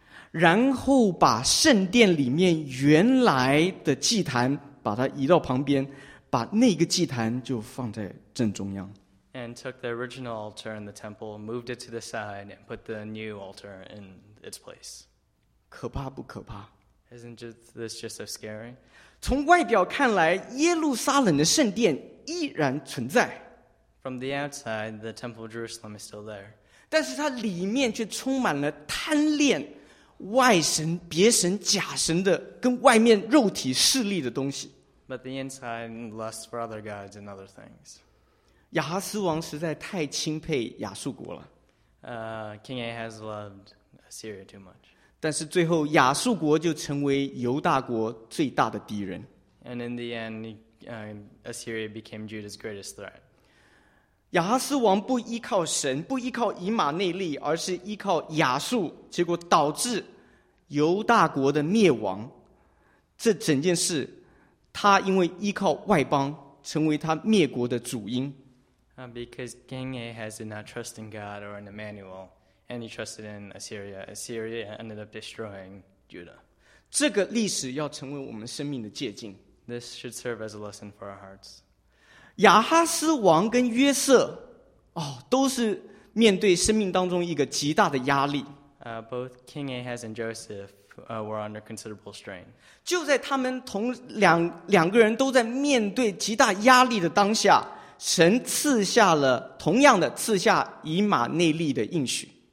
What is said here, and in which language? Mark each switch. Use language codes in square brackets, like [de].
[zh] 然后把圣殿里面原来的祭坛把它移到旁边，把那个祭坛就放在正中央。 [en] And took the original altar in the temple, moved it to the side, and put the new altar in its place. [zh] 可怕不可怕？ [en] Isn't this just so scary? [zh] 从外表看来，耶路撒冷的圣殿依然存在。 [en] From the outside, the temple of Jerusalem is still there. [zh] 但是它里面却充满了贪恋外神、别神、假神的跟外面肉体势力的东西。 [en] But the inside lusts for other gods and other things. [zh] 亚哈斯王实在太钦佩亚述国了。 [en] King Ahaz loved Assyria too much. [zh] 但是最后亚述国就成为犹大国最大的敌人。 [en] And in the end, Assyria became Judah's greatest threat. [zh] 亚哈斯王不依靠神，不依靠以马内利，而是依靠亚述，结果导致犹大国的灭亡。这整件事，他因为依靠外邦，成为他灭国的主因。 [en] Because King Ahaz did not trust in God or in Emmanuel. And he trusted in Assyria. Assyria ended up destroying Judah. [zh] 这个历史要成为我们生命的借鉴。 [en] This should serve as a lesson for our hearts. [zh] 亚哈斯王跟约瑟，哦，都是面对生命当中一个极大的压力。 [en] Both King Ahaz and Joseph, were under considerable strain. [zh] 就在他们同两个人都在面对极大压力的当下，神赐下了同样的赐下以马内利的应许。